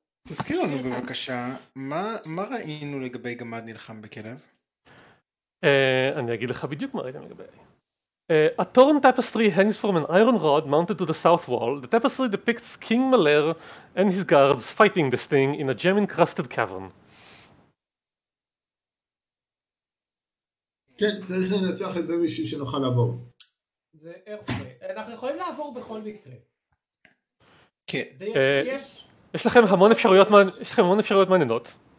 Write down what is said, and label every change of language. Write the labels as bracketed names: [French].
[Hebrew] תזכיר לנו בבקשה, מה ראינו לגבי גמד נלחם בכלב? אני אגיד לך בדיוק מה ראיתם לגבי. [English] A torn tapestry hangs from an iron rod mounted to the south wall. The tapestry depicts King Maler and his guards fighting this thing in a gem-encrusted cavern. [Hebrew] כן, צריך לנצח את זה בשביל שנוכל לעבור. לנצח את זה. אנחנו יכולים לעבור בכל מקרה. כן. יש לכם המון אפשרויות, יש לכם המון אפשרויות מעניינות.